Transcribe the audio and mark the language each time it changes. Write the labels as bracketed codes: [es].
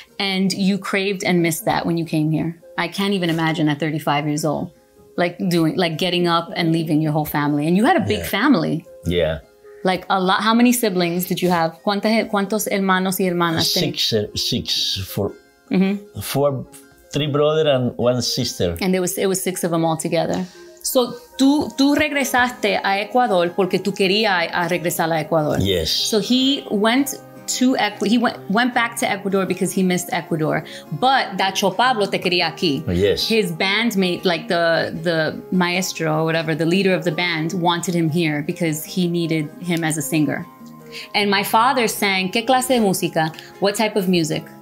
[en] And you craved and missed that when you came here. I can't even imagine at 35 years old, like getting up and leaving your whole family. And you had a big family. Yeah. Like a lot. How many siblings did you have? [es] ¿Cuántos hermanos y hermanas? [en] Six. Four, three brothers and one sister. And it was six of them all together. [es] So tú regresaste a Ecuador porque tú querías a regresar a Ecuador. [en] Yes. So he went to Ecuador. He went back to Ecuador because he missed Ecuador. [es] But Dacho Pablo te quería aquí. [en] Yes. His bandmate, like the maestro or whatever, the leader of the band, wanted him here because he needed him as a singer. And my father sang, [es] ¿qué clase de música? [en] What type of music?